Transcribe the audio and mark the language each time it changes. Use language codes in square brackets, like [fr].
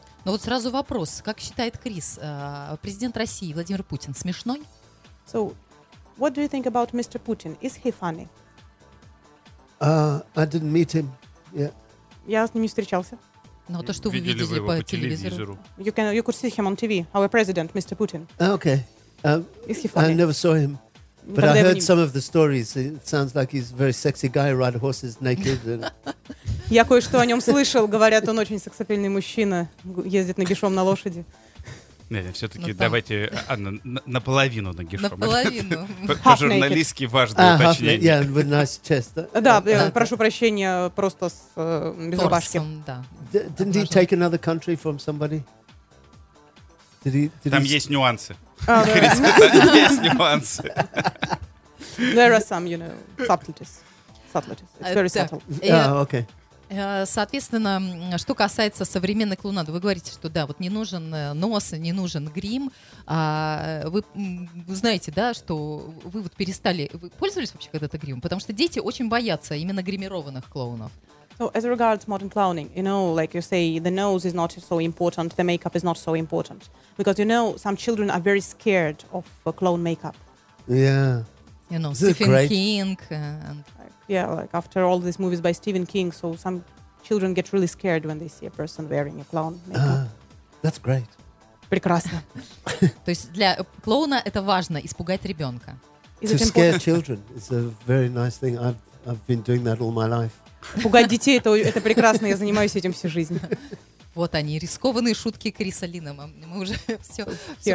[ru] Ну вот сразу вопрос, как считает Крис, президент России Владимир Путин смешной? [en] So, what do you think about Mr. Putin? Is he funny? I didn't meet him. Yeah. [ru] Я с ним не встречался. Но то, что видели вы видели по телевизору. [en] You could see him on TV, our president, Mr. Putin. Okay. Is he funny? I never saw him. But I heard some of the stories. It sounds like he's a very sexy guy, ride horses naked. [ru] Я кое-что о нем слышал. Говорят, он очень сексапильный мужчина, ездит нагишом на лошади. Нет, все-таки давайте, Анна, наполовину нагишом. Наполовину. По-журналистски важное уточнение. [en] Yeah, with nice chest. [ru] Да, прошу прощения, просто с без рубашки. [en] Didn't he take another country from somebody? [ru] Там есть нюансы. Есть нюансы. [en] There are some, you know, subtleties. Subtleties. It's very subtle. Okay. [ru] Соответственно, что касается современной клоунады, вы говорите, что да, вот не нужен нос, не нужен грим. Вы знаете, да, что вы вот перестали... Вы пользовались вообще когда-то гримом? Потому что дети очень боятся именно гримированных клоунов. [en] So, as regards modern clowning, you know, like you say, the nose is not so important, the makeup is not so important. Because, you know, some children are very scared of clown makeup. Yeah. You know, Stephen King and... Yeah, like after all these movies by Stephen King, so some children get really scared when they see a person wearing a clown makeup. That's great. [ru] Прекрасно. То есть для клоуна это важно испугать ребенка. [en] To scare children is a very nice thing. I've been doing that all my life. [ru] Пугать детей это прекрасно. Я занимаюсь этим всю жизнь. Вот они рискованные шутки Криса Линнема. Мы уже все почти